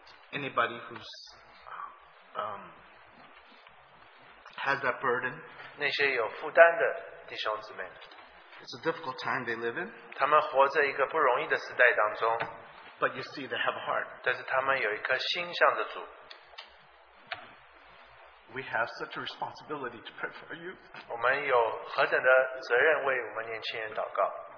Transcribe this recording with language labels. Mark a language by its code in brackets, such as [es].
[en] Anybody who's has that burden? [zh] 那些有负担的弟兄姊妹。 [en] It's a difficult time they live in. [zh] 他们活着一个不容易的时代当中。 [en] But you see they have a heart. [zh] 但是他们有一颗心向着主。 [en] We have such a responsibility to pray for you. [zh] 我们有何等的责任为我们年轻人祷告。